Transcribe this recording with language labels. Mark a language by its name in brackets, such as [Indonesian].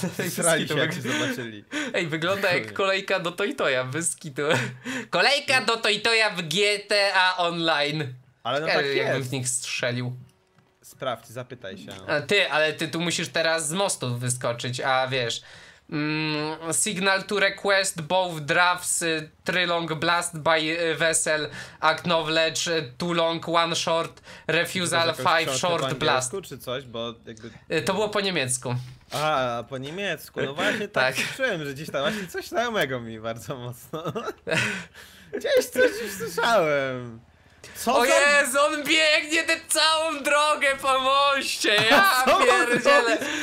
[Polish] Srali się, jak się zobaczyli. Ej, wygląda jak kolejka do toitoja, bez skitu. Kolejka do toitoja w GTA Online. Ale no tak jest. Jakbym w nich strzelił. Sprawdź, zapytaj się. A ty, ale ty tu musisz teraz z mostu wyskoczyć, a wiesz... [English] signal to request both drafts, 3 long blast by vessel, acknowledge, 2 long, 1 short, refusal, 5 short blast. [Polish] Po angielsku, czy coś, bo jakby... To było po niemiecku. A, po niemiecku, no właśnie tak, tak. Czułem, że gdzieś tam właśnie coś znajomego mi bardzo mocno. Gdzieś coś już słyszałem. Co o Jezu, on biegnie tę całą drogę po moście, ja pierdzielę.